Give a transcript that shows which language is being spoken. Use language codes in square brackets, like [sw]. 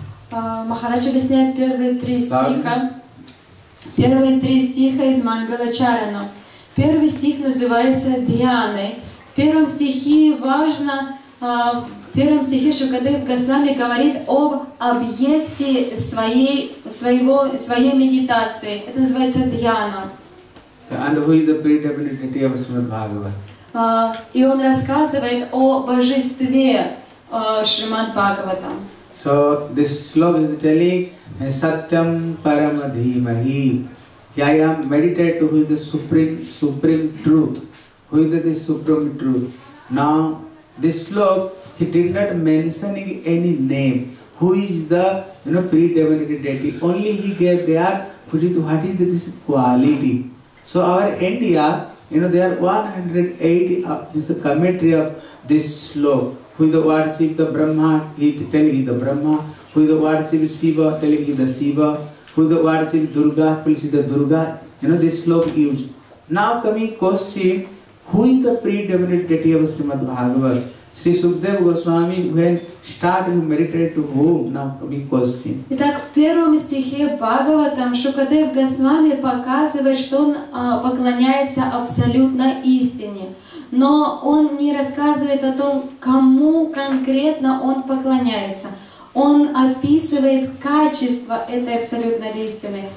[ru] Махарадж объясняет первые три стиха. Первые три стиха из Мангала Чарана. Первый стих называется «Дьяны». В первом стихе важно, в первом стихе Шукадев Госвами говорит об объекте своей медитации. Это называется «Дьяна». [en] And who is the predominantly of Srimad Bhagavat? [ru] И он рассказывает о божестве Шримад Бхагаватам. [en] So this slok is telling [sa] Satyam Param Dhimahi. [en] Yaya meditate who is the supreme truth. Who is the supreme truth? Now this slok, he did not mention any name. Who is the, you know, pre-divinity deity? Only he gave there what is this quality. So our India, you know, there are 180 of this commentary of this slok. Who is the worship the Brahma, he is telling the Brahma. Who is the worship Shiva, telling the Shiva. Who is the worship Durga, please see the Durga. You know, this slok used. Now coming question, who is the predominant deity of Srimad Bhagavat? Sri Sukadeva Goswami, when starting to meditate to whom? Now coming question. [ru] Итак, в первом стихе Бхагаватам Шукадев Госвами показывает, что он поклоняется абсолютно истине. Но он не рассказывает о том, кому конкретно он поклоняется. Он описывает качество этой абсолютной истины.